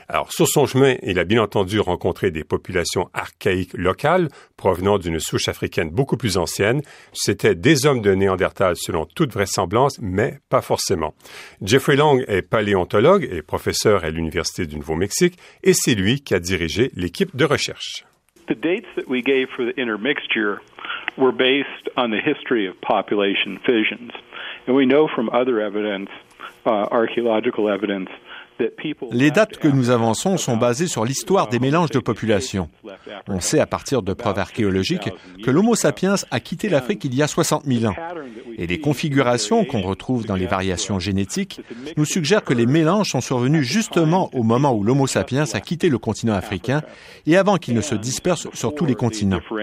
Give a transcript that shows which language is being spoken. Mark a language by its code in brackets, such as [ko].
[fr] Alors, sur son chemin, il a bien entendu rencontré des populations archaïques locales provenant d'une souche africaine beaucoup plus ancienne. C'était des hommes de Néandertal, selon toute vraisemblance, mais pas forcément. Jeffrey Long est paléontologue et professeur à l'Université du Nouveau-Mexique, et c'est lui qui a dirigé l'équipe de recherche. [en] The dates that we gave for the intermixture were based on the history of population fissions. And we know from other evidence, archaeological evidence, [fr] Les dates que nous avançons sont basées sur l'histoire des mélanges de populations. On sait à partir de preuves archéologiques que l'Homo sapiens a quitté l'Afrique il y a 60 000 ans. Et les configurations qu'on retrouve dans les variations génétiques nous suggèrent que les mélanges sont survenus justement au moment où l'Homo sapiens a quitté le continent africain et avant qu'il ne se disperse sur tous les continents.